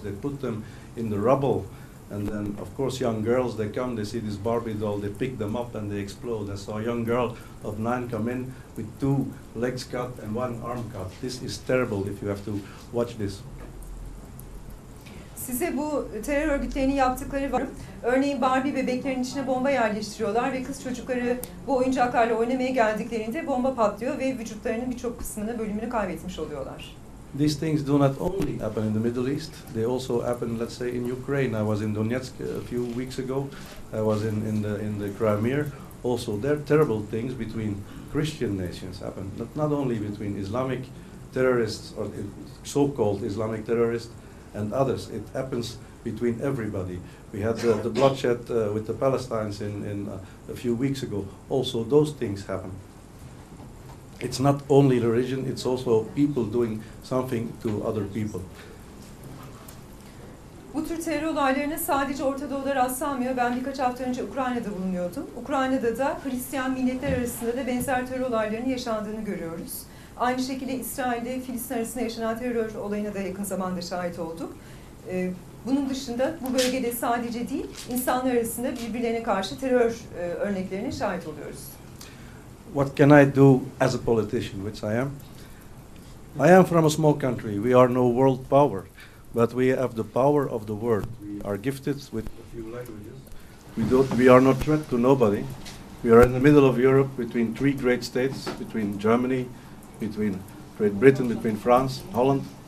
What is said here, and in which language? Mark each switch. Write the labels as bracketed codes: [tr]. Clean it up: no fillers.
[en] They put them in the rubble. And then, of course, young girls, they come, they see this Barbie doll, they pick them up and they explode. I saw a young girl of 9 come in with 2 legs cut and 1 arm cut. This is terrible if you have to watch this. [tr] Size bu terör örgütlerinin yaptıkları var. Örneğin Barbie bebeklerin içine bomba yerleştiriyorlar ve kız çocukları bu oyuncaklarla oynamaya geldiklerinde bomba patlıyor ve vücutlarının birçok kısmını, bölümünü kaybetmiş oluyorlar. [en] These things do not only happen in the Middle East, they also happen, let's say, in Ukraine. I was in Donetsk a few weeks ago, I was in the Crimea. Also, there are terrible things between Christian nations happen, not only between Islamic terrorists or so-called Islamic terrorists and others. It happens between everybody. We had the bloodshed with the Palestinians in a few weeks ago. Also, those things happen. It's not only the religion, it's also people doing something to other people. [tr] Bu tür terör olaylarına sadece Orta Doğu'da rastlanmıyor. Ben birkaç hafta önce Ukrayna'da bulunuyordum. Ukrayna'da da Hristiyan milletler arasında da benzer terör olaylarının yaşandığını görüyoruz. Aynı şekilde İsrail'de Filistin arasında yaşanan terör olayına da yakın zamanda şahit olduk. Bunun dışında bu bölgede sadece değil, insanlar arasında birbirlerine karşı terör örneklerine şahit oluyoruz. [en] What can I do as a politician, which I am? I am from a small country. We are no world power, but we have the power of the world. We are gifted with a few languages. We are not a threat to nobody. We are in the middle of Europe between 3 great states, between Germany, between Great Britain, between France, Holland.